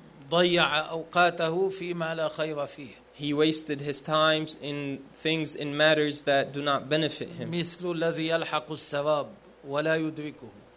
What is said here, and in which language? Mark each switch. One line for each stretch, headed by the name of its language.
Arabic: ضيع أوقاته فيما لا خير فيه.
English: He wasted his times in things, in matters that do not benefit him.
Arabic: مثل الذي يلحق السراب ولا يدركه.